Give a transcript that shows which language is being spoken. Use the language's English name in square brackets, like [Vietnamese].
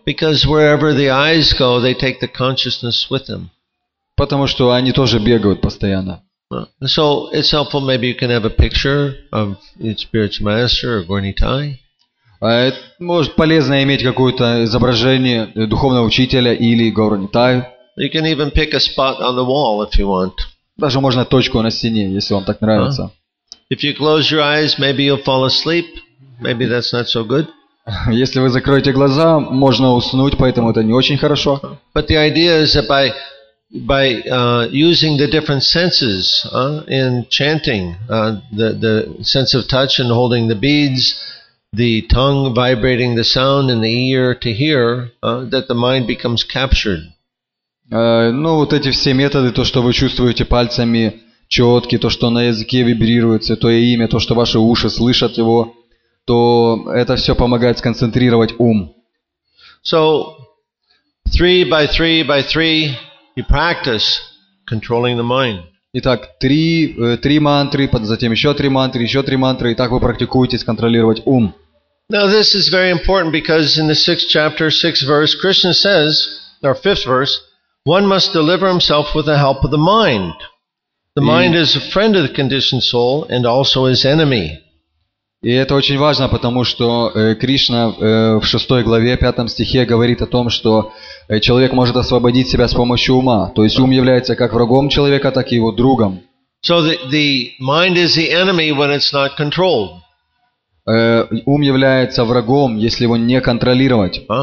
[English] Because wherever the eyes go, they take the consciousness with them. [Russian] Потому что они тоже бегают постоянно. [English] So it's helpful. Maybe you can have a picture of your spiritual master or Gornitai. [Russian] Может полезно иметь какое-то изображение духовного учителя или Горнитай. [English] You can even pick a spot on the wall if you want. [Russian] Даже можно точку на стене, если вам так нравится. [English] If you close your eyes, maybe you'll fall asleep. Maybe that's not so good. [Russian] Если вы закроете глаза, можно уснуть, поэтому это не очень хорошо. [English] But the idea is that by using the different senses in chanting, the sense of touch and holding the beads, the tongue vibrating the sound in the ear to hear, that the mind becomes captured. [Russian] Ну, вот эти все методы, то, что вы чувствуете пальцами четки, то, что на языке вибрируется, то и имя, то, что ваши уши слышат его, то это все помогает сконцентрировать ум. [English] So, 3 by 3 by 3, you practice controlling the mind. [Russian] Итак, 3 мантры, затем еще 3 мантры, и так вы практикуете контролировать ум. [English] Now this is very important because in the 6th chapter, 6th verse, Krishna says, or 5th verse, one must deliver himself with the help of the mind. The mind is a friend of the conditioned soul and also his enemy. [Russian] И это очень важно, потому что Кришна в 6 главе, 5 стихе говорит о том, что человек может освободить себя с помощью ума. То есть ум является как врагом человека, так и его другом. [English] So the mind is the enemy when it's not controlled. [Russian] Ум является врагом, если его не контролировать.